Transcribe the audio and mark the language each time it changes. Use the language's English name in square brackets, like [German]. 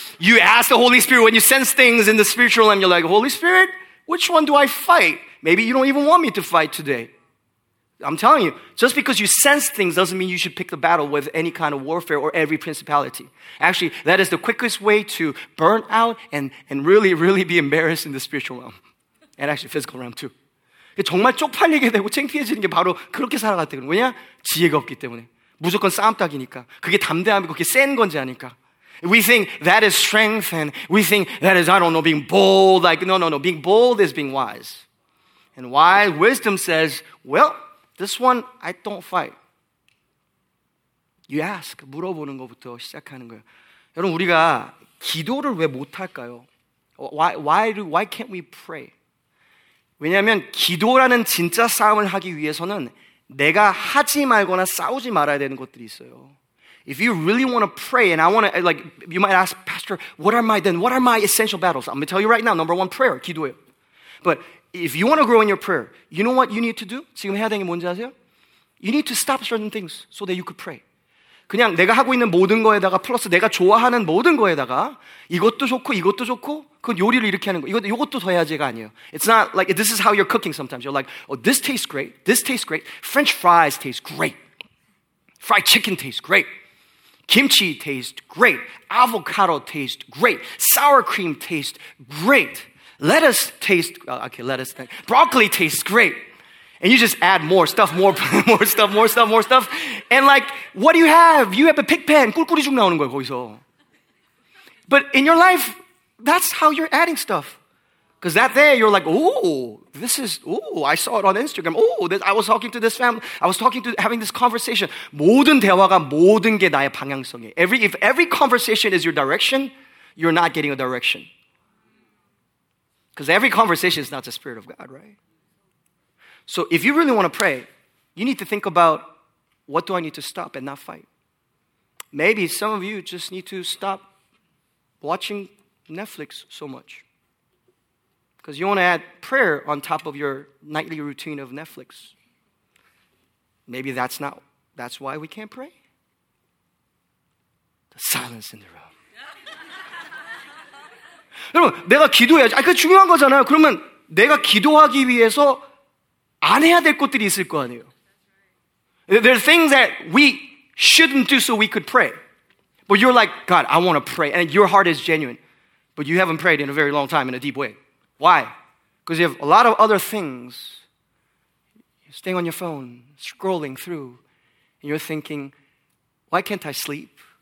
[English] You ask the Holy Spirit when you sense things in the spiritual realm, you're like, Holy Spirit, which one do I fight? Maybe you don't even want me to fight today. I'm telling you, just because you sense things doesn't mean you should pick the battle with any kind of warfare or every principality. Actually, that is the quickest way to burn out and really, really be embarrassed in the spiritual realm. And actually, physical realm too. [Korean] 정말 쪽팔리게 되고 창피해지는 게 바로 그렇게 살아갔대요. 왜냐? 지혜가 없기 때문에. 무조건 싸움 딱이니까. 그게 담대함이고 그게 센 건지 아니까. [English] We think that is strength and we think that is, I don't know, being bold. Like, no, no, no. Being bold is being wise. And wise wisdom says, well, this one I don't fight. You ask, [Korean] 물어보는 것부터 시작하는 거예요. 여러분, 우리가 기도를 왜 못할까요? [English] Why can't we pray? [Korean] 왜냐하면 기도라는 진짜 싸움을 하기 위해서는 내가 하지 말거나 싸우지 말아야 되는 것들이 있어요. [English] If you really want to pray, and I want to, like, you might ask, Pastor, what are my essential battles? I'm going to tell you right now, number one, prayer, [Korean] 기도예요. [English] But if you want to grow in your prayer, you know what you need to do? [Korean] 지금 해야 되는 게 뭔지 아세요? [English] You need to stop certain things so that you could pray. [Korean] 그냥 내가 하고 있는 모든 거에다가 플러스 내가 좋아하는 모든 거에다가 이것도 좋고 이것도 좋고 그 요리를 이렇게 하는 거 이것도 더 해야지가 아니에요. [English] It's not like this is how you're cooking sometimes. You're like, oh, this tastes great. This tastes great. French fries taste great. Fried chicken tastes great. Kimchi tastes great. Avocado tastes great. Sour cream tastes great. Lettuce tastes, okay, lettuce, broccoli tastes great. And you just add more stuff, more, more stuff, more stuff, more stuff. And like, what do you have? You have a pig pen. [Korean] 꿀꿀이 죽 나오는 거예요, 거기서. [English] But in your life, that's how you're adding stuff. Because that day, you're like, oh, this is, oh, I saw it on Instagram. Oh, I was talking to this family. I was talking to, having this conversation. [Korean] 모든 대화가 모든 게 나의 방향성이에요. [English] If every conversation is your direction, you're not getting a direction. Because every conversation is not the Spirit of God, right? So if you really want to pray, you need to think about what do I need to stop and not fight. Maybe some of you just need to stop watching Netflix so much. Because you want to add prayer on top of your nightly routine of Netflix. Maybe that's why we can't pray. The silence in the room. [Korean] 여러분, 내가 기도해야지. 아, 그게 중요한 거잖아요. 그러면 내가 기도하기 위해서 안 해야 될 것들이 있을 거 아니에요. [English] There are things that we shouldn't do so we could pray. But you're like, God, I want to pray. And your heart is genuine. But you haven't prayed in a very long time in a deep way. Why? Because you have a lot of other things. You're staying on your phone, scrolling through. And you're thinking, why can't I sleep?